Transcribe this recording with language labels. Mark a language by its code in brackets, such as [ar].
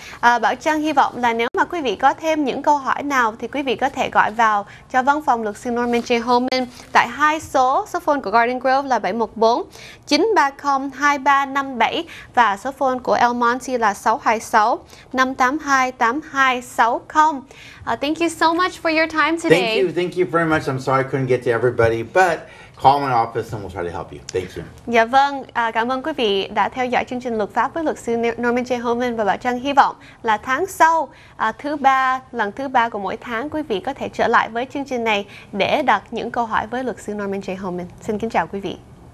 [vi] Bảo Trân hy vọng là nếu mà quý vị có thêm những câu hỏi nào thì quý vị có thể gọi vào cho văn phòng luật sư Norman J. Homen tại hai số, số phone của Garden Grove là 714-930-2357 và số phone của El Monte là 626-582-8260. [en] Thank you so much for your time today. Thank you very much. I'm sorry I couldn't get to everybody, but call my office and we'll try to help you. Thank you. [vi] Dạ vâng, cảm ơn quý vị đã theo dõi chương trình luật pháp với luật sư Norman J. Homen và Bảo Trân. Hy vọng là tháng sau, thứ ba, lần thứ ba của mỗi tháng, quý vị có thể trở lại với chương trình này để đặt những câu hỏi với luật sư Norman J. Homen. Xin kính chào quý vị.